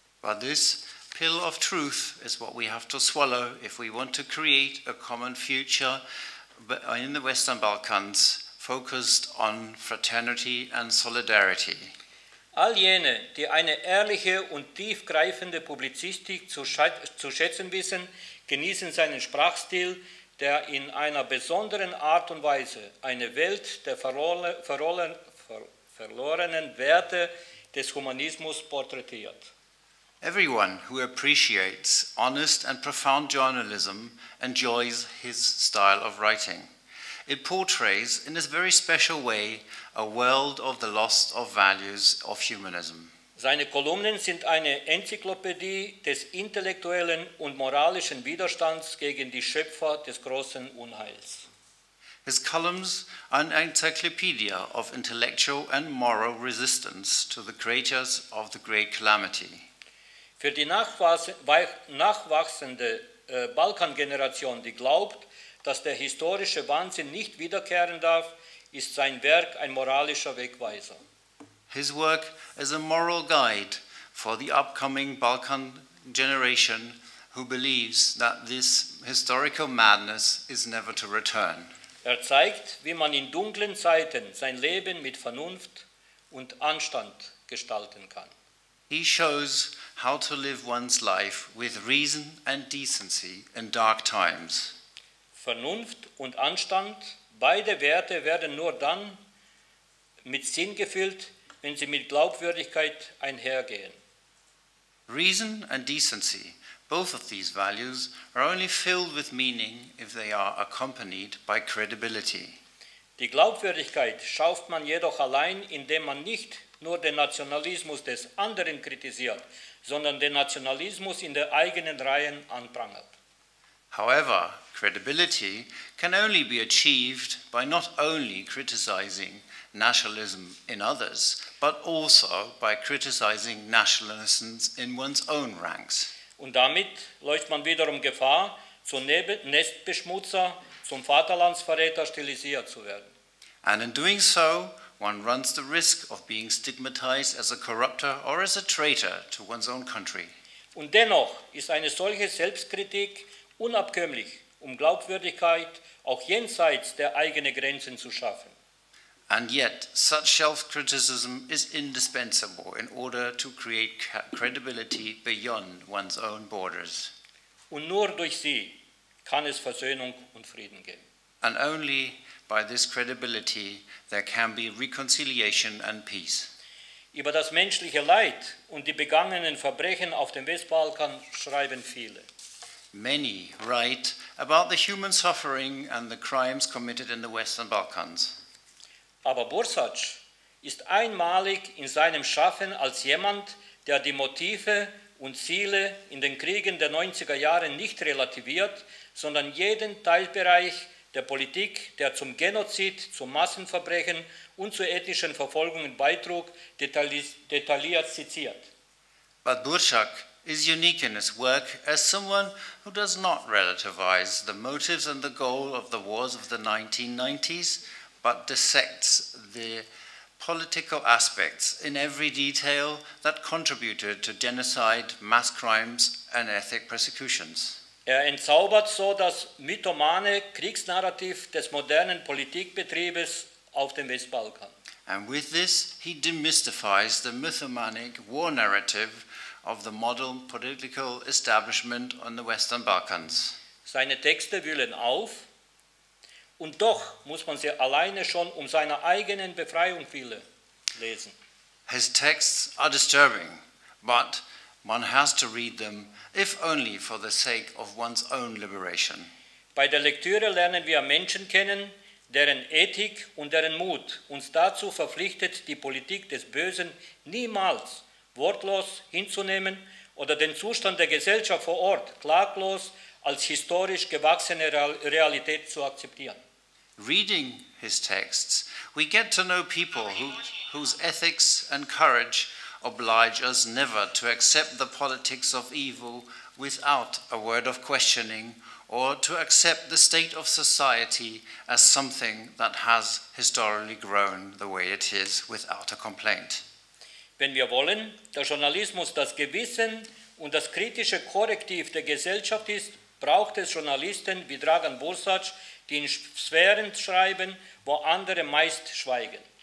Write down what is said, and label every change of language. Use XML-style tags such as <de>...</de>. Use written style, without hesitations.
<en>But this pill of truth is what we have to swallow if we want to create a common future in the Western Balkans focused on fraternity and solidarity.</en> <de>All jene, die eine ehrliche und tiefgreifende Publizistik zu schätzen wissen, genießen seinen Sprachstil, der in einer besonderen Art und Weise eine Welt der verlorenen Werte des Humanismus porträtiert.</de> <en>Everyone who appreciates honest and profound journalism enjoys his style of writing. It portrays, in a very special way, a world of the lost of values of humanism.</en> <de>Seine Kolumnen sind eine Enzyklopädie des intellektuellen und moralischen Widerstands gegen die Schöpfer des großen Unheils.</de> <en>His columns are an encyclopedia of intellectual and moral resistance to the creators of the great calamity.</en> <de>Für die nachwachsende Balkangeneration, die glaubt, dass der historische Wahnsinn nicht wiederkehren darf, ist sein Werk ein moralischer Wegweiser.</de> <en>His work is a moral guide for the upcoming Balkan generation who believes that this historical madness is never to return.</en> <de>Zeigt, wie man in dunklen Zeiten sein Leben mit Vernunft und Anstand gestalten kann.</de> <en>He shows how to live one's life with reason and decency in dark times.</en> <de>Vernunft und Anstand, beide Werte werden nur dann mit Sinn gefüllt, wenn sie mit Glaubwürdigkeit einhergehen.</de> <en>Reason and decency, both of these values, are only filled with meaning if they are accompanied by credibility.</en> <de>Die Glaubwürdigkeit schafft man jedoch allein, indem man nicht nur den Nationalismus des anderen kritisiert, sondern den Nationalismus in der eigenen Reihen anprangert.</de> <en>However, credibility can only be achieved by not only criticizing nationalism in others, but also by criticizing nationalisms in one's own ranks.</en> <de>Und damit läuft man wiederum Gefahr, zum Nestbeschmutzer, zum Vaterlandsverräter stilisiert zu werden.</de> <en>And in doing so, one runs the risk of being stigmatized as a corrupter or as a traitor to one's own country.</en> <de>Und dennoch ist eine solche Selbstkritik unabkömmlich, um Glaubwürdigkeit auch jenseits der eigenen Grenzen zu schaffen.</de> <en>And yet, such self-criticism is indispensable in order to create credibility beyond one's own borders.</en> <de>Und nur durch sie kann es Versöhnung und Frieden geben.</de> <en>And only by this credibility there can be reconciliation and peace.</en> <de>Über das menschliche Leid und die begangenen Verbrechen auf dem Westbalkan schreiben viele.</de> <en>Many write about the human suffering and the crimes committed in the Western Balkans.</en> <de>Aber Bursac ist einmalig in seinem Schaffen als jemand, der die Motive und Ziele in den Kriegen der 90er Jahre nicht relativiert, sondern jeden Teilbereich der Politik, der zum Genozid, zum Massenverbrechen und zu ethnischen Verfolgungen beitrug, detailliert zitiert.</de> <en>But Bursac is unique in his work as someone who does not relativize the motives and the goal of the wars of the 1990s, but dissects the political aspects in every detail that contributed to genocide, mass crimes and ethnic persecutions.</en> <de>Er entzaubert so das mythomane Kriegsnarrativ des modernen Politikbetriebes auf dem Westbalkan.</de> <en>And with this, he demystifies the mythomanic war narrative of the modern political establishment on the Western Balkans.</en> <de>Seine Texte wühlen auf, und doch muss man sie alleine schon um seiner eigenen Befreiung willen lesen.</de> <en>His texts are disturbing, but one has to read them if only for the sake of one's own liberation.</en> <de>Bei der Lektüre lernen wir Menschen kennen, deren Ethik und deren Mut uns dazu verpflichtet, die Politik des Bösen niemals wortlos hinzunehmen oder den Zustand der Gesellschaft vor Ort klaglos als historisch gewachsene Realität zu akzeptieren.</de> <en>Reading his texts, we get to know people whose ethics and courage oblige us never to accept the politics of evil without a word of questioning or to accept the state of society as something that has historically grown the way it is without a complaint.</en> <de>Wenn wir wollen, dass Journalismus das Gewissen und das kritische Korrektiv der Gesellschaft ist, braucht es Journalisten wie Dragan Bursac, die in Sphären schreiben, wo andere meist schweigen.</de>